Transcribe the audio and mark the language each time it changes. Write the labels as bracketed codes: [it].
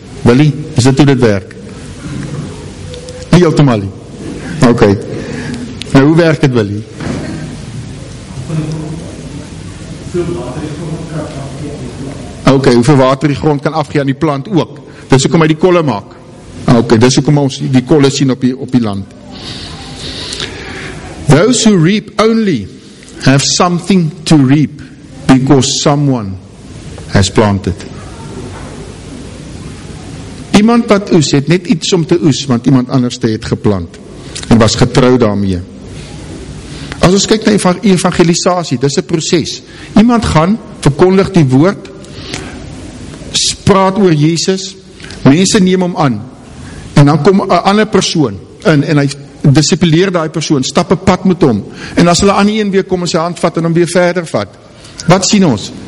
[af] Willie, is dit hoe dit werk? Nie heel te mal nie. Ok. Nou, hoe werk dit, Willie? Ok, hoeveel water die grond kan afgee aan die plant ook. Dis hoekom hy die kolle maak. Ok, dis hoekom ons die kolle sien op die land. [en] Those who reap only have something to reap because someone has planted. [af] Iemand wat oes het net iets om te oes, want iemand anders het geplant en was getrou daarmee. As ons kyk na evangelisasie, dis 'n proses. Iemand gaan, verkondig die woord, praat oor Jesus, mense neem hom aan, en dan kom een ander persoon in, en hy disipuleer die persoon, stap een pad met hom, en as hulle aan die een weer kom en sy hand vat, en hom weer verder vat, wat sien ons?